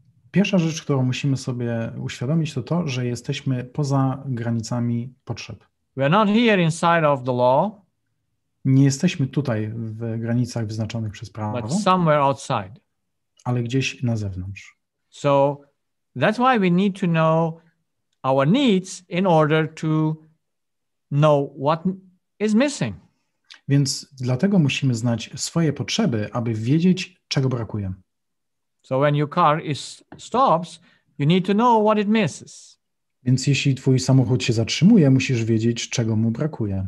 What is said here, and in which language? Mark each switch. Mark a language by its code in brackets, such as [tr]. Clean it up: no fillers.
[pl] Pierwsza rzecz, którą musimy sobie uświadomić, to to, że jesteśmy poza granicami potrzeb. [en] We are not here inside of the law. [pl] Nie jesteśmy tutaj w granicach wyznaczonych przez prawo. [en] But somewhere outside. [pl] Ale gdzieś na zewnątrz. [en] So that's why we need to know our needs in order to know what is missing. [pl] Więc dlatego musimy znać swoje potrzeby, aby wiedzieć, czego brakuje. [en] So when your car stops, you need to know what it misses. [pl] Więc jeśli twój samochód się zatrzymuje, musisz wiedzieć, czego mu brakuje.